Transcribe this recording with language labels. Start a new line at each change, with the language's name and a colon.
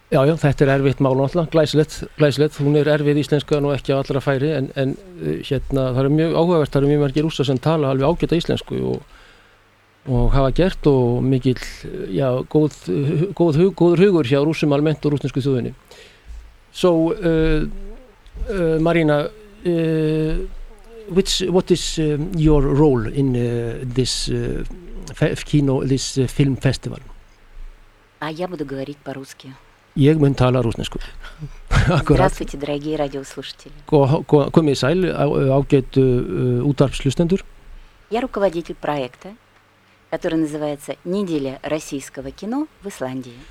Icelandic: Já, já, þetta erfitt mál náttúrulega, glæsilegt, hún erfið íslenska og ekki á allra færi, en hérna, það mjög áhugavert, það mjög margir rússar sem tala alveg ágæta íslensku og hafa gert og mikill, já, góður hugur hjá rússum almennt og rússnesku þjóðinni.
English: So, Marina, what is your role in this film festival?
Russian: А я буду говорить по-русски.
Icelandic: Ég mun tala rússnesku.
Russian: Здравствуйте, дорогие радиослушатели.
Icelandic: Komið sæl ágætu útvarpshlustendur.
Russian: Я руководитель проекта, который называется «Неделя российского кино в Исландии».